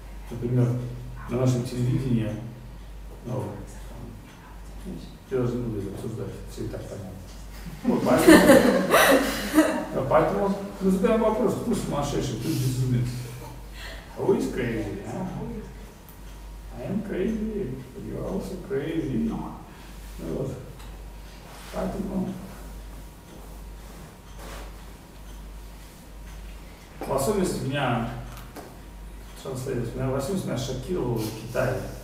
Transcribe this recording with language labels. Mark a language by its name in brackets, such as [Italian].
[Russian] Например, на нашем телевидении, я даже не буду обсуждать, все и так понятно. Поэтому мы задаем вопрос, кто сумасшедший, кто безумец? А вы crazy, а? [English] I am crazy, you are also crazy. [Russian] Вот. Поэтому в особенности меня, что следует, меня в особенности меня шокировало в Китае.